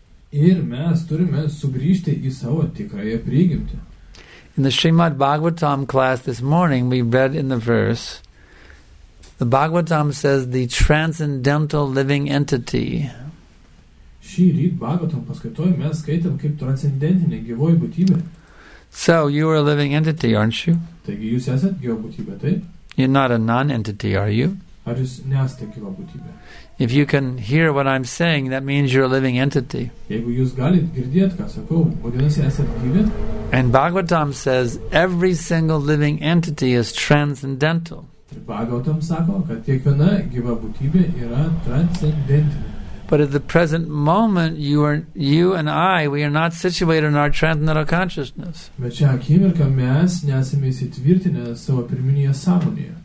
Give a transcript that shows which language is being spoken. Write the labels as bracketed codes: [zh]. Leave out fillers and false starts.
[lt] Ir mes turime sugrįžti į savo tikrąją prigimtį. [en] In the Srimad Bhagavatam class this morning, we read in the verse, the Bhagavatam says the transcendental living entity. [lt] Šį ryt Bhagavatam paskaitoj mes skaitėm kaip transcendentinė gyvoji būtybė. [en] So, you are a living entity, aren't you? [lt] Taigi jūs esat gyva būtybė, taip? [en] You're not a non-entity, are you? [lt] Ar jūs nesate gyva būtybė? [en] If you can hear what I'm saying, that means you're a living entity. [lt] Jeigu jūs galit girdėt, ką sakau, vadinasi, esat gyvi. [en] And Bhagavatam says every single living entity is transcendental. [lt] Bhagavatam sako, kad kiekviena gyva būtybė yra transcendentinė. [en] But at the present moment, we are not situated in our transcendental consciousness. [lt] Bet šią akimirką mes nesame įsitvirtinę savo pirminėje sąmonėje.